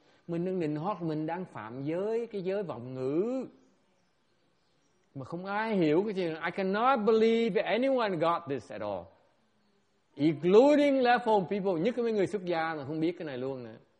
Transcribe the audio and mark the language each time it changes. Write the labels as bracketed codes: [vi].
[vi] Mình đang nịnh hót, mình đang phạm giới, cái giới vọng ngữ. Mà không ai hiểu cái chuyện. [en] I cannot believe anyone got this at all. Including level people, [vi] nhất là mấy người xuất gia mà không biết cái này luôn nè.